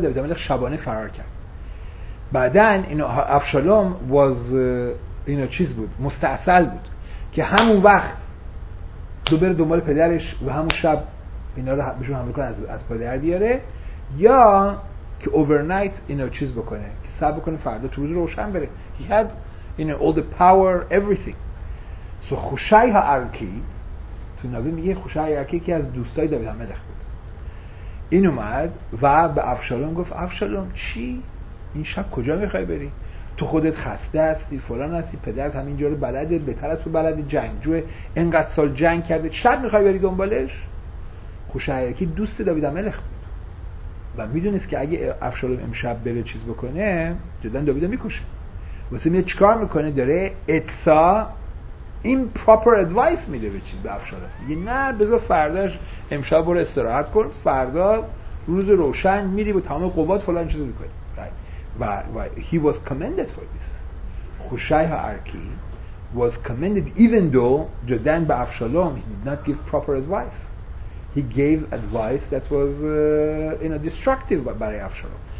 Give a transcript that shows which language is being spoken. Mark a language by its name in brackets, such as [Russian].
[Persian] David HaMelech شبانه فرار کرد. بعدن افشالوم was چیز بود، مستعصل بود که همون وقت دوباره دنبال پدرش و همون شب اینا رو بهشون حمله کنه، از پدر بیاره، یا که overnight چیز بکنه، که سب بکنه فردا تو روز روشن بره. [English] He had all the power, everything. [Persian] So خوشای ها ارکی تو نبی میگه خوشای یکی که از دوستای داوید ملک بود، این اومد و به افشالوم گفت افشالوم چی؟ این شب کجا میخوای بری؟ تو خودت خسته هستی، فلان هستی، پدرت همینجا رو بلده، بهتر از تو بلده، جنگجوه، اینقدر سال جنگ کرده، شب میخوای بری دنبالش؟ خوشای یکی دوست داوید ملک بود و میدونست که اگه افشالوم امشب بره چیز بکنه جدا داوید رو میکشه. واسه میده چکار میکنه؟ داره اتسا [English] improper advice [Persian] میده به چیز، به افشالوم میگه نه بذار فرداش، امشب برو استراحت کن، فردا روز روشن میری با تمام قوات فلان چیزو میکنی. [English] right. و he was commended for this. خوشای ها ارکی was commended even though جدن [Persian] به افشالوم [English] he did not give proper advice. He gave advice that was destructive [Persian] برای افشالوم.